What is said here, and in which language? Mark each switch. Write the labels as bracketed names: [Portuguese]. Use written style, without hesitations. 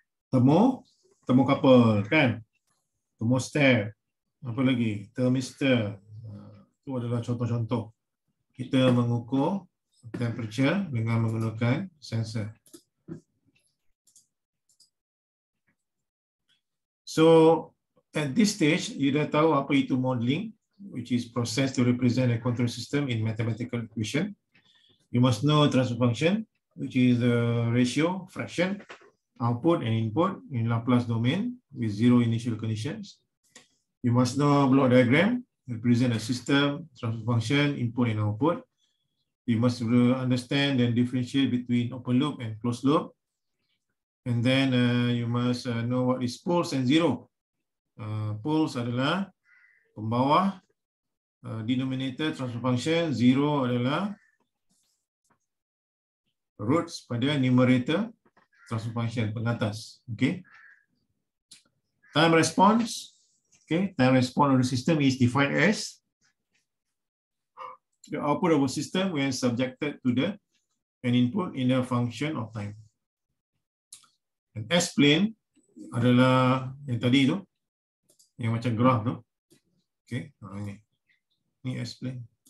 [Malay] Termo? Termo couple, kan? Thermostat. Apa lagi? Thermistor. Itu adalah contoh-contoh. Kita mengukur temperature dengan menggunakan sensor. [English] So, at this stage, you [Malay] dah tahu apa itu [English] modeling, which is process to represent a control system in mathematical equation. You must know transfer function, which is the ratio, fraction, output and input in Laplace domain with zero initial conditions. You must know block diagram, represent a system, transfer function, input and output. You must understand and differentiate between open loop and closed loop. And then you must know what is poles and zero. [Malay] Poles adalah pembawa, denominator transfer function, zero adalah roots pada numerator transfer function, pengatas. [English] Okay. Time response. Okay, time response of the system is defined as the output of a system when subjected to the an input in a function of time. [Malay] And S-plane adalah yang tadi tu, yang macam graf tu. Okay, ini. Ini S-plane.